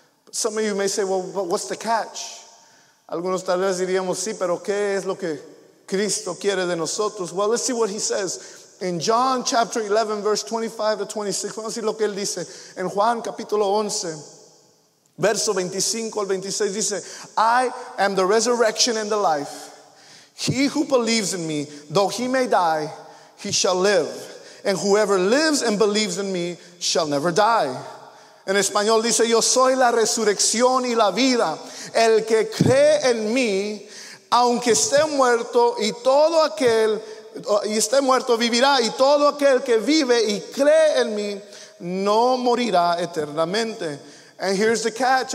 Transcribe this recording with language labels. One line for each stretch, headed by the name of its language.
English: Some of you may say, well, but what's the catch?
Spanish: Algunos tal vez diríamos, sí, pero ¿qué es lo que Cristo quiere de nosotros?
English: Well, let's see what he says. In John chapter 11, verse 25 to 26,
Spanish: vamos a decir lo que él dice. En Juan capítulo 11, verso 25 al 26, dice,
English: I am the resurrection and the life. He who believes in me, though he may die, he shall live. And whoever lives and believes in me shall never die.
Spanish: En español dice, yo soy la resurrección y la vida. El que cree en mí, aunque esté muerto, y todo aquel y esté muerto vivirá, y todo aquel que vive y cree en mí no morirá eternamente.
English: And here's the catch.